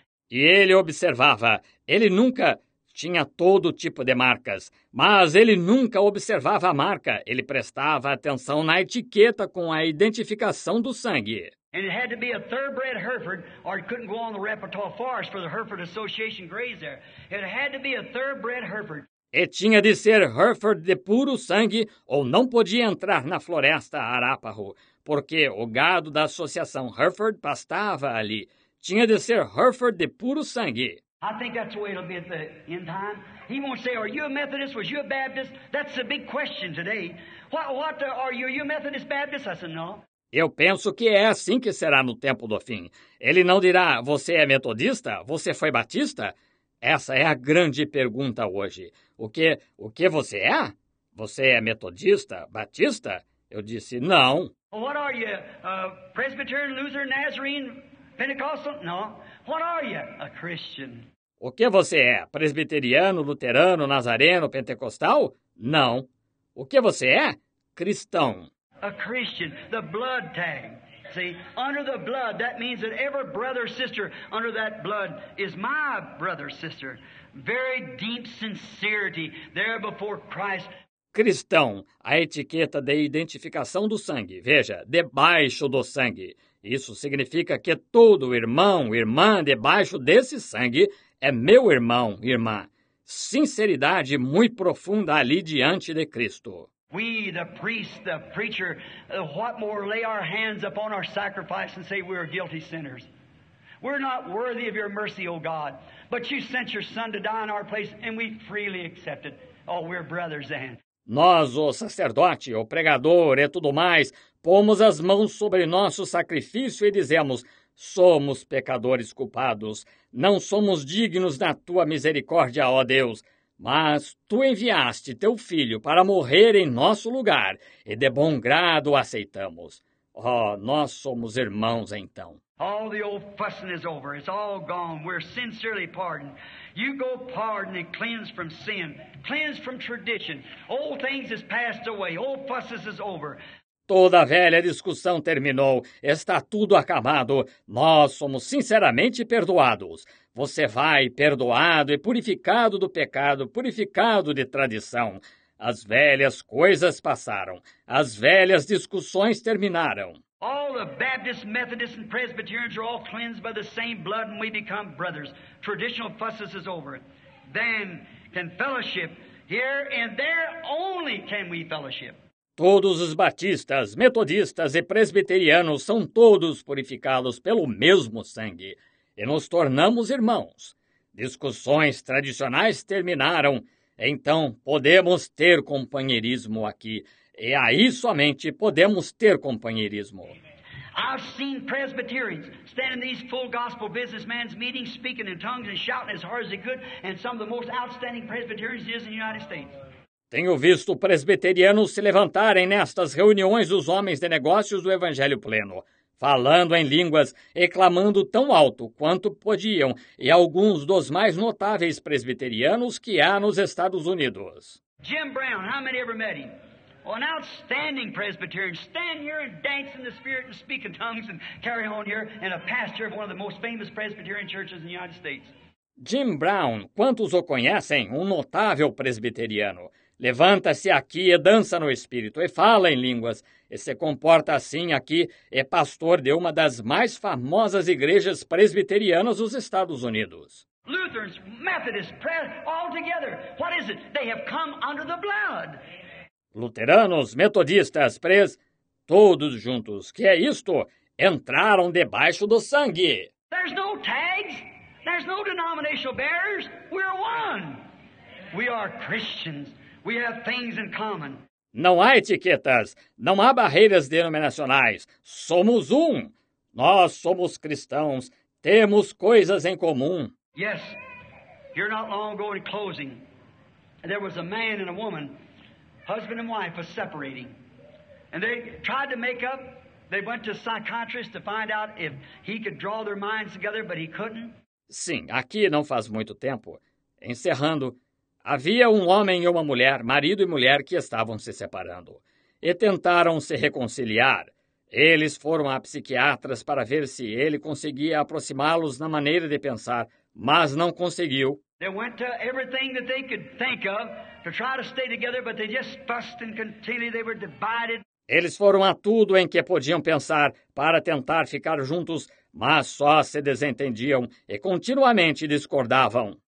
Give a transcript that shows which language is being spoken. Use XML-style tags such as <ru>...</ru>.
<pt>E ele observava. Ele nunca tinha todo tipo de marcas, mas ele nunca observava a marca. Ele prestava atenção na etiqueta com a identificação do sangue.</pt> <en>And it had to be a thoroughbred Hereford, or it couldn't go on the repertoire forest for the Hereford Association graze there. It had to be a thoroughbred Hereford.</en> <pt>E tinha de ser Hereford de puro sangue, ou não podia entrar na floresta Arapaho, porque o gado da Associação Hereford pastava ali. Tinha de ser Hereford de puro sangue.</pt> <en>I think that's the way it'll be at the end time. He won't say, are you a Methodist? Was you a Baptist? That's the big question today. Are you a Methodist Baptist? I said, no.</en> <pt>Eu penso que é assim que será no tempo do fim. Ele não dirá, você é metodista? Você foi batista? Essa é a grande pergunta hoje. O que você é? Você é metodista? Batista? Eu disse, não.</pt> <en>What are you? Presbyterian, Lutheran, Nazarene, Pentecostal? No. What are you? A Christian.</en> <pt>O que você é? Presbiteriano, luterano, nazareno, pentecostal? Não. O que você é? Cristão.</pt> <en>A Christian. The blood tag. See, under the blood, that means that every brother or sister under that blood is my brother or sister. Very deep sincerity there before Christ.</en> <pt>Cristão, a etiqueta de identificação do sangue, veja, debaixo do sangue. Isso significa que todo irmão, irmã, debaixo desse sangue, é meu irmão, irmã. Sinceridade muito profunda ali diante de Cristo.</pt> <en>We, the priest, the preacher, what more, lay our hands upon our sacrifice and say we are guilty sinners. We're not worthy of your mercy, O God, but you sent your son to die in our place and we freely accepted. Oh, we're brothers then.</en> <pt>Nós, o sacerdote, o pregador e tudo mais, pomos as mãos sobre nosso sacrifício e dizemos, somos pecadores culpados, não somos dignos da tua misericórdia, ó Deus, mas tu enviaste teu filho para morrer em nosso lugar e de bom grado aceitamos. Ó, nós somos irmãos então.</pt> <en>All the old fussing is over, it's all gone, we're sincerely pardoned. You go pardon and cleanse from sin, cleanse from tradition. Old things is passed away, old fusses is over.</en> <pt>Toda a velha discussão terminou, está tudo acabado, nós somos sinceramente perdoados. Você vai perdoado e purificado do pecado, purificado de tradição. As velhas coisas passaram, as velhas discussões terminaram.</pt> <en>All the Baptists, Methodists, and Presbyterians are all cleansed by the same blood and we become brothers. Traditional fusses is over. Then can fellowship here and there only can we fellowship.</en> <pt>Todos os batistas, metodistas e presbiterianos são todos purificados pelo mesmo sangue e nos tornamos irmãos. Discussões tradicionais terminaram, então podemos ter companheirismo aqui. E aí somente podemos ter companheirismo.</pt> <en>I've seen Presbyterians stand in these full gospel businessmen's meetings speaking in tongues and shouting as hard as they could, and some of the most outstanding Presbyterians is in the United States.</en> <pt>Tenho visto presbiterianos se levantarem nestas reuniões dos homens de negócios do Evangelho Pleno, falando em línguas e clamando tão alto quanto podiam, e alguns dos mais notáveis presbiterianos que há nos Estados Unidos.</pt> <en>Jim Brown, how many ever met him? An outstanding Presbyterian, stand here and dance in the Spirit and speak in tongues and carry on here, and a pastor of one of the most famous Presbyterian churches in the United States.</en> <pt>Jim Brown, quantos o conhecem? Notável presbiteriano. Levanta-se aqui e dança no Espírito e fala em línguas. E se comporta assim aqui, é pastor de uma das mais famosas igrejas presbiterianas dos Estados Unidos.</pt> <en>Lutherans, Methodists, Presbyterians, all together. What is it? They have come under the blood.</en> <pt>Luteranos, metodistas, pres, todos juntos, que é isto? Entraram debaixo do sangue.</pt> <en>There's no tags, there's no denominational barriers, we're one. We are Christians, we have things in common.</en> <pt>Não há etiquetas, não há barreiras denominacionais, somos um. Nós somos cristãos, temos coisas em comum.</pt> <en>Yes, you're not long ago in closing, there was a man and a woman. Husband and wife are separating. And they tried to make up. They went to a psychiatrist to find out if he could draw their minds together, but he couldn't.</en> <pt>Sim, aqui não faz muito tempo. Encerrando, havia homem e uma mulher, marido e mulher, que estavam se separando. E tentaram se reconciliar. Eles foram a psiquiatras para ver se ele conseguia aproximá-los na maneira de pensar, mas não conseguiu.</pt> <en>They went to everything that they could think of to try to stay together, but they just fussed and continued. They were divided.</en> <pt>Eles foram a tudo em que podiam pensar para tentar ficar juntos, mas só se desentendiam e continuamente discordavam.</pt>